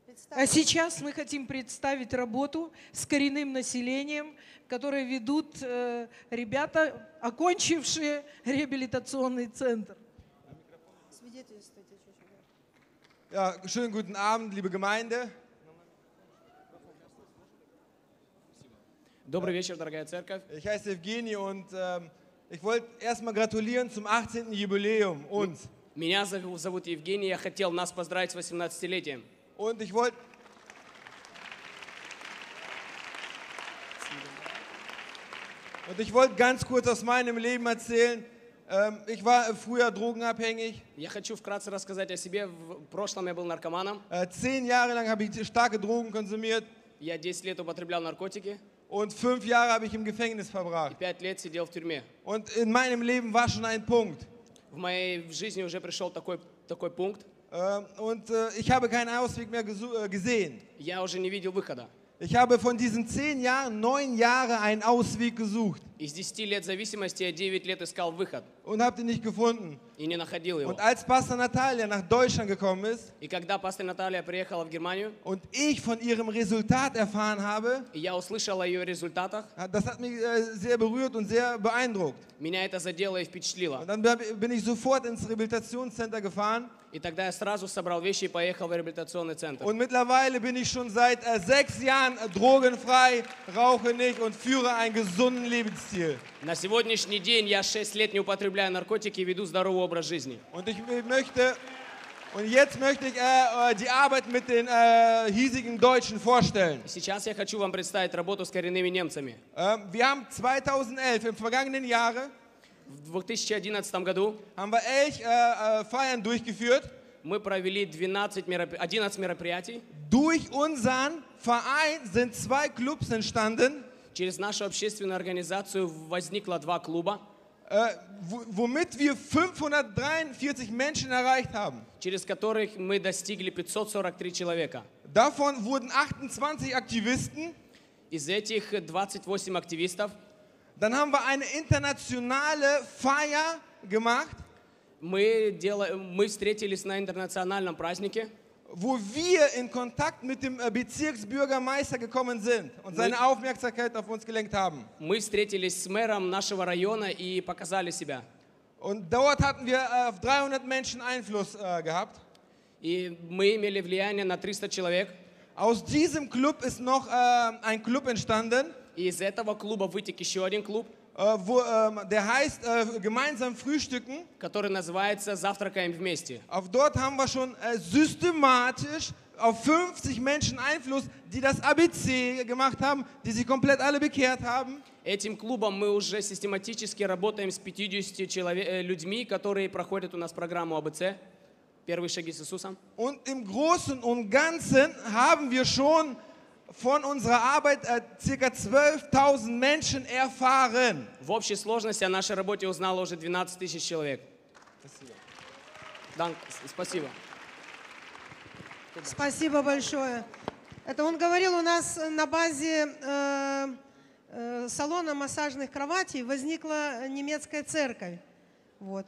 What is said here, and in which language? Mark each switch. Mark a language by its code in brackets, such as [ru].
[ru] А сейчас мы хотим представить работу с коренным населением, которое ведут ребята, окончившие реабилитационный центр. [de] Ja, schönen guten Abend, liebe Gemeinde. [ru] Добрый вечер, дорогая церковь. [de] Ich heiße Евгений und ich wollte erstmal gratulieren zum 18. Jubiläum uns. [ru] Меня зовут Евгений, я хотел нас поздравить с 18-летием. [de] Und ich wollte Und ich wollte ganz kurz aus meinem Leben erzählen. Ich war früher drogenabhängig. [ru] Я хочу вкратце рассказать о себе. В прошлом я был наркоманом. [de] 10 Jahre lang habe ich starke Drogen konsumiert. [ru] Я 10 лет употреблял наркотики. [de] Und 5 Jahre habe ich im Gefängnis verbracht. [ru] 5 лет сидел в тюрьме. [de] Und in meinem Leben war schon ein Punkt. [ru] В моей жизни уже пришел такой пункт. [de] Und ich habe keinen Ausweg mehr gesehen. [ru] Я уже не видел выхода. [de] Ich habe von diesen 10 Jahren 9 Jahre einen Ausweg gesucht. [ru] Из 10 лет зависимости я 9 лет искал выход. [de] Und habe ihn nicht gefunden. [ru] И не находил его. [de] Und als Pastor Natalia nach Deutschland gekommen ist, [ru] и когда пастор Наталья приехала в Германию, [de] und ich von ihrem Resultat erfahren habe, [ru] и я услышал о ее результатах, [de] das hat mich sehr berührt und sehr beeindruckt. [ru] Меня это задело и впечатлило. [de] Und dann bin ich sofort ins Rehabilitationscenter gefahren. [ru] И тогда я сразу собрал вещи и поехал в реабилитационный центр. [de] Und mittlerweile bin ich schon seit 6 Jahren drogenfrei, rauche nicht und führe einen gesunden Lebensstil. [ru] На сегодняшний день я 6 лет не употребляю наркотики и веду здоровый образ жизни. [de] Und ich möchte und jetzt möchte ich die Arbeit mit den hiesigen Deutschen vorstellen. [ru] Сейчас я хочу вам представить работу с коренными немцами. [de] Wir haben 2011 im vergangenen Jahre [ru] в 2011 году [de] haben wir Feiern durchgeführt. [ru] Мы провели 11 мероприятий. [de] Durch unseren Verein sind 2 Clubs entstanden. [ru] Через нашу общественную организацию возникло 2 клуба. [de] Womit wir 543 Menschen erreicht haben. [ru] Через которых мы достигли 543 человека. [de] Davon wurden 28 Aktivisten. [ru] Из этих 28 активистов. [de] Dann haben wir eine internationale Feier gemacht. [ru] Мы встретились на интернациональном празднике. [de] Wo wir in Kontakt mit dem Bezirksbürgermeister gekommen sind und seine Aufmerksamkeit auf uns gelenkt haben. [ru] Мы встретились с мэром нашего района и показали себя. [de] Und dort hatten wir auf 300 Menschen Einfluss gehabt. [ru] И мы имели влияние на 300 человек. [de] Aus diesem Club ist noch ein Club entstanden. [ru] И из этого клуба вытек еще один клуб, [de] der heißt gemeinsam frühstücken, [ru] который называется «Завтракаем вместе». [de] Auf dort haben wir schon systematisch auf 50 Menschen Einfluss, die das ABC gemacht haben, die sich komplett alle bekehrt haben. [ru] Этим клубом мы уже систематически работаем с 50 людьми, которые проходят у нас программу АБЦ. Первые шаги с Иисусом. [de] Und im Großen und Ganzen haben wir schon von unserer Arbeit ca. 12.000 Menschen erfahren. [ru] В общей сложности о нашей работе узнало уже 12 тысяч человек. Спасибо. [de] Danke, [ru] спасибо. Спасибо большое. Это он говорил, у нас на базе салона массажных кроватей возникла немецкая церковь. Вот.